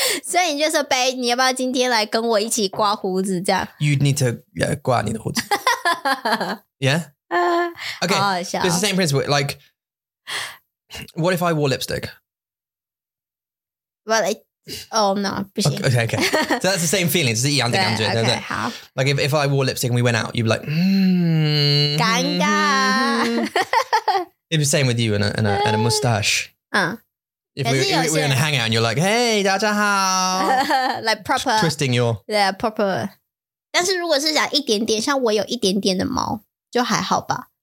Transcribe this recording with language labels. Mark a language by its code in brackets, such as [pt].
[zh] 所以你就说 babe, 你要不要今天来跟我一起刮胡子这样 [en] ?You'd need to [zh] 刮你的胡子。 [en] Yeah? OK, it's the same principle, like,What if I wore lipstick? Well, no, 不行。 Okay. So that's the same feeling. It's the [zh] 一样的感觉。对，好。 [en] Like if I wore lipstick and we went out, you'd be like, [zh] 尴尬。 [en] It'd be same with you and a mustache. If we're in a hangout and you're like, hey, [zh] 大家好。 [en] Like proper. Twisting your. Yeah, proper. [zh] 但是如果是想一点点，像我有一点点的毛，就还好吧。